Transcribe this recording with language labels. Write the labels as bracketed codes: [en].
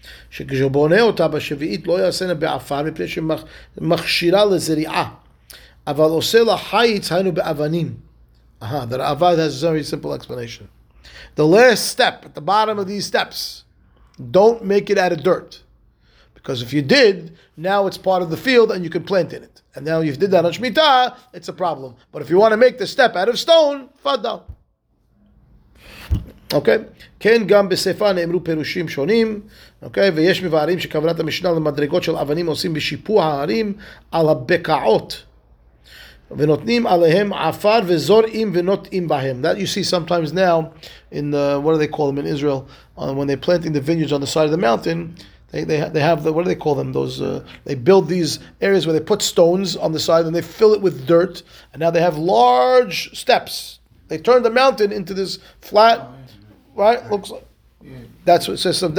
[he] שכשבונה אותה בשביעית לא יעשה לה בעפר מפני שמכשירה לזריעה אבל עושה לה חייץ היינו באבנים. [en] The Ravad has a very simple explanation. The last step at the bottom of these steps, don't make it out of dirt, because if you did, now it's part of the field and you can plant in it, and now you did that on Shemitah, it's a problem. But if you want to make the step out of stone, fadal. [he] Okay, כן גם בספר נאמרו פירושים שונים. Okay, ויש מבארים שכוונת המשנה למדרגות של אבנים עושים בשיפוע הערים על הבקעות ונותנים עליהם עפר וזורעים ונותנים בהם. [en] That you see sometimes now in the, what do they call them in Israel, when they're planting the vineyards on the side of the mountain, they have the, what do they call them, those they build these areas where they put stones on the side and they fill it with dirt, and now they have large steps. They turn the mountain into this flat. Right? Looks like. That's what it says.